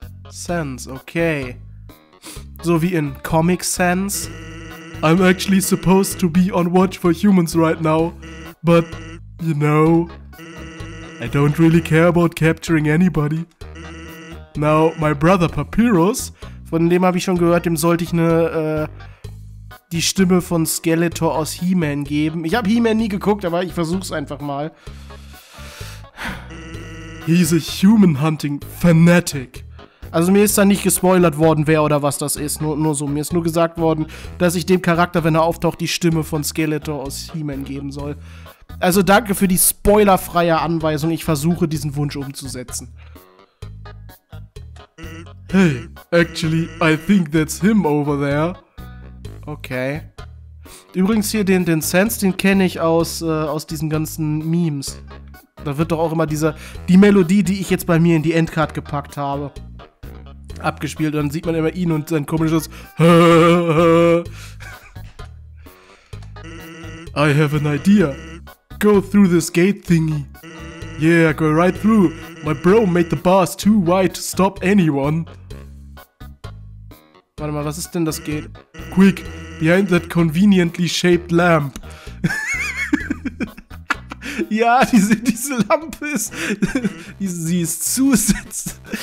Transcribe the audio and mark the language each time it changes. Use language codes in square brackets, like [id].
[de] Sans, okay. So wie in Comic Sans. [en] I'm actually supposed to be on watch for humans right now, but, you know, I don't really care about capturing anybody. Now, my brother Papyrus, [de] von dem habe ich schon gehört, dem sollte ich die Stimme von Skeletor aus He-Man geben. Ich habe He-Man nie geguckt, aber ich versuch's einfach mal. [en] He's a human hunting fanatic. [de] Also mir ist da nicht gespoilert worden, wer oder was das ist, nur so. Mir ist nur gesagt worden, dass ich dem Charakter, wenn er auftaucht, die Stimme von Skeletor aus He-Man geben soll. Also danke für die spoilerfreie Anweisung, ich versuche diesen Wunsch umzusetzen. [en] Hey, actually, I think that's him over there. Okay. [de] Übrigens hier den Sense, den kenne ich aus diesen ganzen Memes. Da wird doch auch immer die Melodie, die ich jetzt bei mir in die Endcard gepackt habe, abgespielt. Und dann sieht man immer ihn und sein komisches [en] I have an idea. Go through this gate thingy. Yeah, go right through. My bro made the bars too wide to stop anyone. [de] Warte mal, was ist denn das Gate? [en] Quick, behind that conveniently shaped lamp. [de] Ja, diese Lampe ist... sie ist zusätzlich.